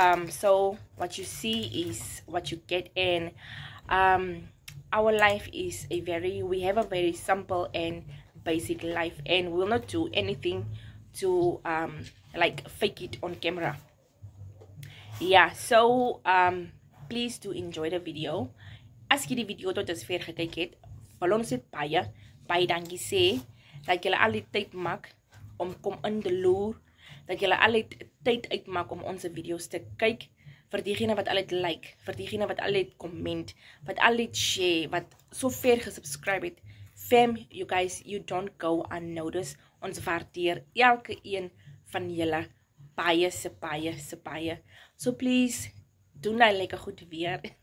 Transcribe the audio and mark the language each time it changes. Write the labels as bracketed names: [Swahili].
[English] So what you see is what you get, and our life is we have a very simple and basic life, and we'll not do anything to like fake it on camera. Yeah, so please do enjoy the video. [Afrikaans] As jy die video tot dusver gekyk het, wil ons dit baie dankie sê dat jy al die tyd maak om kom in die loer, dat jy al die tyd uitmaak om ons video's te kyk, vir diegene wat al het like, vir diegene wat al het comment, wat al het share, wat so ver gesubscribe het. [English] Fam, you guys, you don't go unnoticed. [Afrikaans] Ons waardeer elke een van julle baie, se baie, se baie. [English] So please, [Afrikaans] doen dat lekker goed weer.